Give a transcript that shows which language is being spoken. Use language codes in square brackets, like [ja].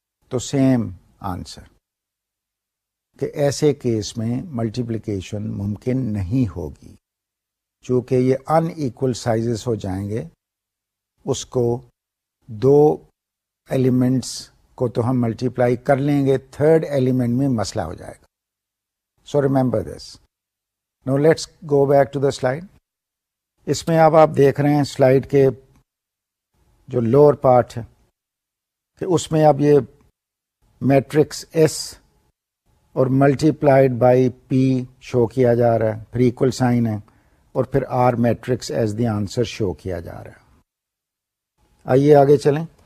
[ur] تو same answer کہ ایسے کیس میں ملٹیپلیکیشن ممکن نہیں ہوگی, چونکہ یہ ان ایکول سائزز ہو جائیں گے. اس کو دو ایلیمنٹس کو تو ہم ملٹیپلائی کر لیں گے, تھرڈ ایلیمنٹ میں مسئلہ ہو جائے گا. [en] So remember this. Now let's go back to the slide. [ur] اس میں اب آپ دیکھ رہے ہیں سلائڈ کے جو لوور پارٹ ہے کہ اس میں اب یہ میٹرکس ایس اور ملٹیپلائڈ بائی پی شو کیا جا رہا ہے, پھر ایکول سائن ہے اور پھر are matrix as the answer شو کیا جا رہا ہے. آئیے آگے چلیں.